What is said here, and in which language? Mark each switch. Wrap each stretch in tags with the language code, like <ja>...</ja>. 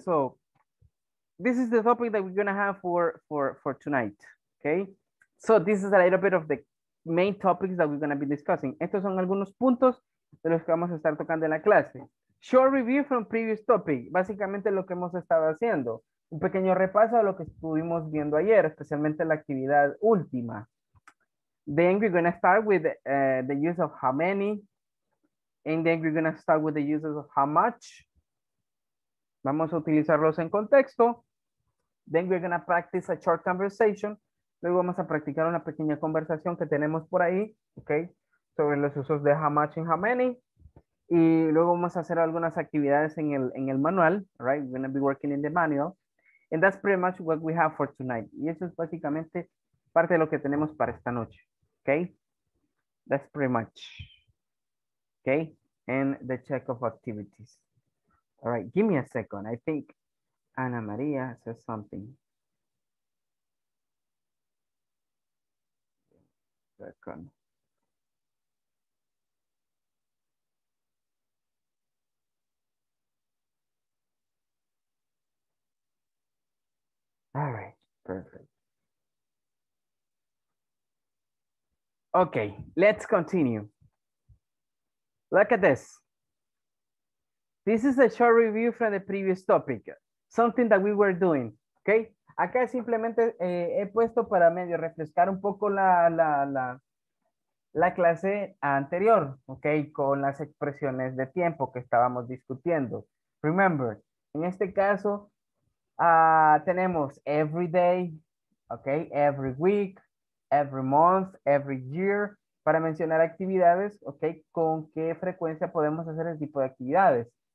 <en>So, this is the topic that we're going to have for tonight, ¿okay? So, this is a little bit of the main topics that we're going to be discussing.</en> <es>Estos son algunos puntos de los que vamos a estar tocando en la clase.</es> <en>Short review from previous topic.</en> <es>Básicamente lo que hemos estado haciendo. Un pequeño repaso a lo que estuvimos viendo ayer, especialmente la actividad última.</es> <en>Then we're going to start with the use of how many. And then we're going to start with the use of how much.</en> <es>Vamos a utilizarlos en contexto.</es> <en>Then we're going to practice a short conversation.</en> <es>Luego vamos a practicar una pequeña conversación que tenemos por ahí, okay, sobre los usos de</es> <en>how much and how many.</en> <es>Y luego vamos a hacer algunas actividades en el manual, right?</es> <en>We're going to be working in the manual. And that's pretty much what we have for tonight.</en> <es>Y eso es básicamente parte de lo que tenemos para esta noche, okay?</es> <en>That's pretty much, okay? And the check of activities. All right, give me a second. I think Ana María says something. All right, perfect. Okay, let's continue. Look at this. This is a short review from the previous topic, something that we were doing, okay?</en> <es>Acá simplemente he puesto para medio refrescar un poco la clase anterior, okay, con las expresiones de tiempo que estábamos discutiendo. Remember, en este caso tenemos</es> <en>every day, okay, every week, every month, every year,</en> <es>para mencionar actividades, okay, con qué frecuencia podemos hacer ese tipo de actividades.</es>